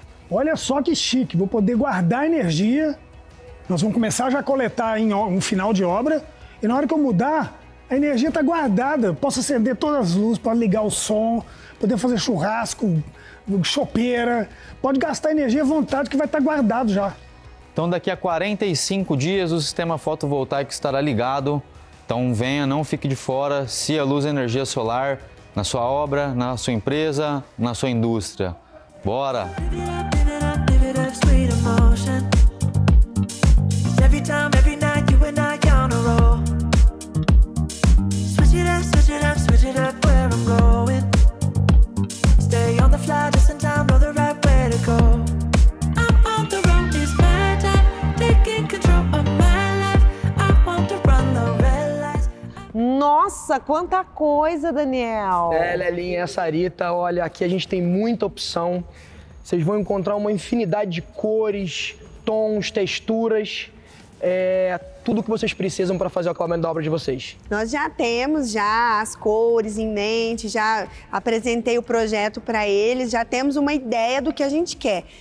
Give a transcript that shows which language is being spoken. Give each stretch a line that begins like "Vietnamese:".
Portuguese: Olha só que chique, vou poder guardar energia, nós vamos começar já a coletar em um final de obra, e na hora que eu mudar, a energia está guardada, posso acender todas as luzes, posso ligar o som, poder fazer churrasco, chopeira, pode gastar energia à vontade que vai estar guardado já. Então daqui a 45 dias o sistema fotovoltaico estará ligado, então venha, não fique de fora, se a luz e a energia solar na sua obra, na sua empresa, na sua indústria. Bora!
English: Sweet emotion. Every time, every night, you and I count a roll. Switch it up, switch it up, switch it up where I'm going. Stay on the fly just in time, know the right way to go. I'm on the road, it's my time, taking control of my life. I want to run the red lights.
Portuguese: Nossa, quanta coisa, Daniel! É, Lelinha, essa Sarita, olha, aqui a gente tem muita opção. Vocês vão encontrar uma infinidade de cores, tons, texturas, tudo o que vocês precisam para fazer o acabamento da obra de vocês. Nós já temos já as cores em mente, já apresentei o projeto para eles, já temos uma ideia do que a gente quer.